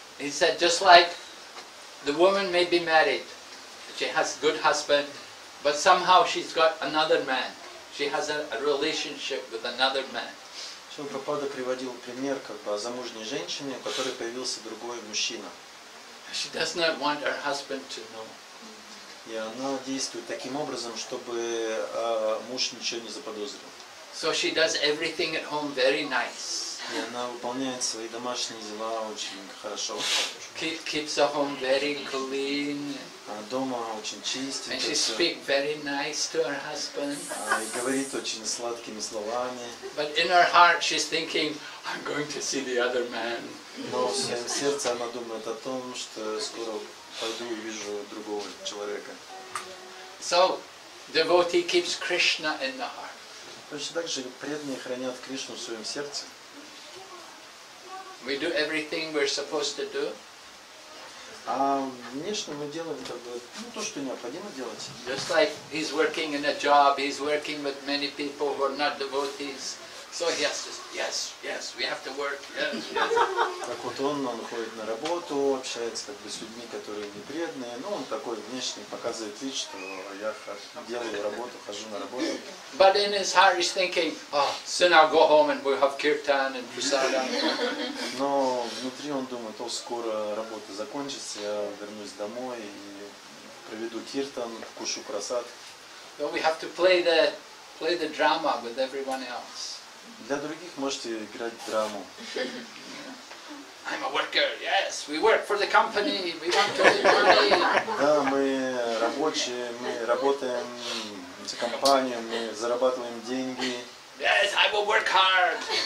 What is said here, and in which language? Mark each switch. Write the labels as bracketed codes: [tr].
[en] He said, just like the woman may be married, she has good husband, but somehow she's got another man. She has a relationship with another man. [ru] Шри Прабхупада приводил пример как бы о замужней женщине, у которой появился другой мужчина. [en] She does not want her husband to know. [ru] И она действует таким образом, чтобы муж ничего не заподозрил. [en] So she does everything at home very nice. [ru] И она выполняет свои домашние дела очень хорошо. [en] Keeps her home very clean. [ru] Она дома очень чистит. [en] And she speaks very nice to her husband. [ru] И говорит очень сладкими словами. [en] But in her heart she's thinking, I'm going to see the other man. [ru] Но в своем сердце она думает о том, что скоро пойду и увижу другого человека. [en] So devotee keeps Krishna in the heart. [ru] Точно так же преданные хранят Кришну в своем сердце. [en] We do everything we're supposed to do. [ru] А внешне мы делаем как бы, ну, то, что необходимо делать. [en] Just like he's working in a job, he's working with many people who are not devotees. So yes, we have to work. Yes. [ru] Так вот он ходит на работу, общается как бы с людьми, которые не преданные. Ну, он такой внешний, показывает вид, что я делаю работу, хожу на работу. [en] But in his heart he's thinking, oh, soon I'll go home and we'll have kirtan and prasada. [ru] Но внутри он думает, о, скоро работа закончится, я вернусь домой и проведу киртан, кушу прасад. [en] So we have to play the drama with everyone else. [ru] Для других можете играть драму. [en] I'm a worker. Yes, we work for the company. We want to make money. [ru] Да, мы рабочие, мы работаем за компанию, мы зарабатываем деньги. [en] Yes, I will work hard.